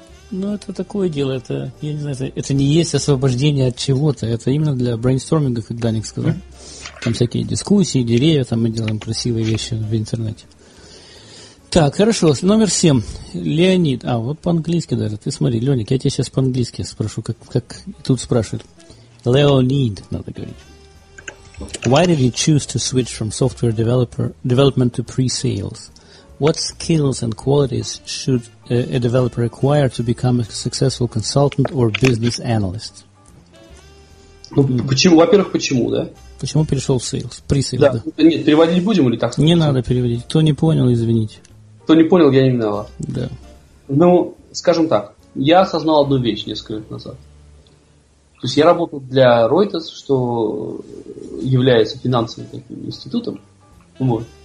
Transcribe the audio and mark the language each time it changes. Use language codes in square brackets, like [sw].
[ru] Но это такое дело, это, я не знаю, это не есть освобождение от чего-то, это именно для брейнсторминга, как Даник сказал. Там всякие дискуссии, деревья, там мы делаем красивые вещи в интернете. Так, хорошо, номер 7. Леонид. А, вот по-английски даже. Ты смотри, Леник, я тебя сейчас по-английски спрошу, как тут спрашивают. Леонид, надо говорить. [en] Why did you choose to switch from software development to pre-sales? What skills and qualities should a developer acquire to become a successful consultant or business analyst? [ru] Ну, почему? Во-первых, почему, да? Почему перешел в sales? Pre-sales, да. Нет, переводить будем или так? Не надо переводить. Кто не понял, извините. Кто не понял, я не виноват. Да. Ну, скажем так, я осознал одну вещь несколько лет назад. То есть я работал для Reuters, что является финансовым таким институтом. Вот.